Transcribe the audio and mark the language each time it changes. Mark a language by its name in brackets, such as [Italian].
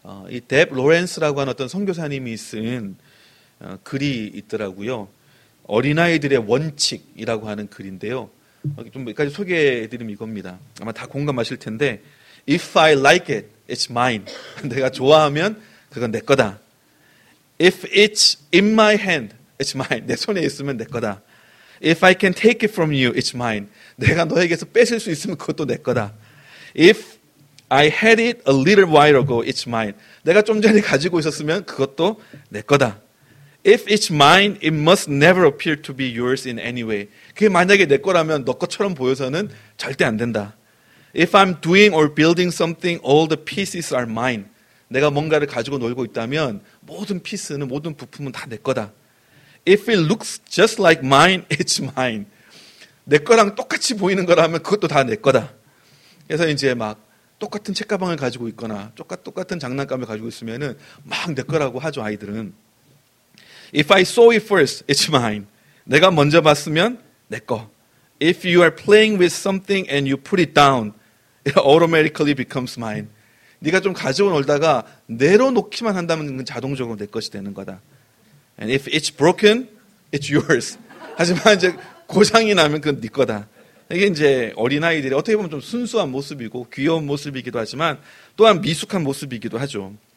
[Korean] 이뎁 로렌스라고 하는 어떤 선교사님이 쓴 글이 있더라고요. 어린아이들의 원칙이라고 하는 글인데요. 좀 여기까지 소개해드리면 이겁니다. 아마 다 공감하실 텐데, [English] If I like it, it's mine. [Korean] 내가 좋아하면 그건 내 거다. [English] If it's in my hand, it's mine. [Korean] 내 손에 있으면 내 거다. [English] If I can take it from you, it's mine. [Korean] 내가 너에게서 뺏을 수 있으면 그것도 내 거다. [English] If I had it a little while ago, it's mine. [Korean] 내가 좀 전에 가지고 있었으면 그것도 내 거다. [English] If it's mine, it must never appear to be yours in any way. [Korean] 그게 만약에 내 거라면 너 것처럼 보여서는 절대 안 된다. [English] If I'm doing or building something, all the pieces are mine. [Korean] 내가 뭔가를 가지고 놀고 있다면 모든 피스는, 모든 부품은 다내 거다. [English] If it looks just like mine, it's mine. [Korean] 내 거랑 똑같이 보이는 거라면 그것도 다내 거다. 그래서 이제 막 똑같은 책가방을 가지고 있거나 똑같은 장난감을 가지고 있으면은 막내 거라고 하죠, 아이들은. [English] If I saw it first, it's mine. [Korean] 내가 먼저 봤으면 내 거. [English] If you are playing with something and you put it down, it automatically becomes mine. [Korean] 네가 좀 가지고 놀다가 내려놓기만 한다면 자동적으로 내 것이 되는 거다. [English] And if it's broken, it's yours. [Korean] 하지만 이제 고장이 나면 그건 네 거다. 이게 이제 어린아이들이 어떻게 보면 좀 순수한 모습이고 귀여운 모습이기도 하지만 또한 미숙한 모습이기도 하죠.